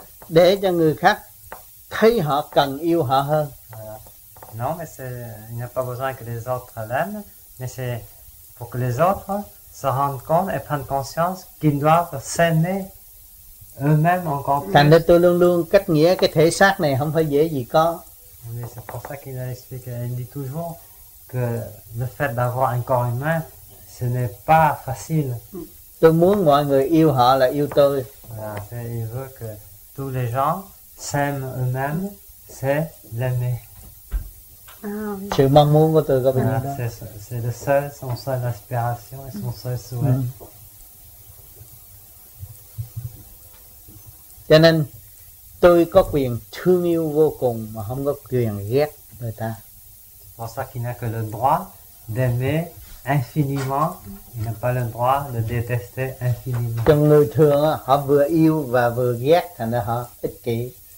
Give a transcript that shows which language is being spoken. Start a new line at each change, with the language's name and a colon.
French: Il n'a pas besoin d'être aimé.
Vietnamese: Thấy họ cần yêu họ hơn.
French: Non, mais c'est, il n'y a pas besoin que les autres l'aiment, mais c'est pour que les autres se rendent compte et prennent conscience qu'ils doivent s'aimer eux-mêmes encore plus.
Vietnamese: Thành ra tôi luôn luôn cách nghĩa cái thể xác này không phải dễ gì có.
French: Mais c'est pour ça qu'il a expliqué, il dit toujours que le fait d'avoir un corps humain, ce n'est pas facile.
Vietnamese: Tôi muốn mọi người yêu họ là yêu tôi.
French: Et il veut que tous les gens s'aime eux-mêmes, c'est l'aimer. Ah, oui. C'est le mot de votre gouvernement. Ah, c'est le seul, son seul aspiration et son seul souhait.
Vietnamese: Cho nên, tôi có quyền thương yêu vô cùng mà không có quyền ghét người ta.
French: C'est pour ça qu'il n'a que le droit d'aimer infiniment, il n'a pas le droit de détester infiniment.
Vietnamese: Trong người thường, họ vừa yêu và vừa ghét, thành ra họ ích kỷ.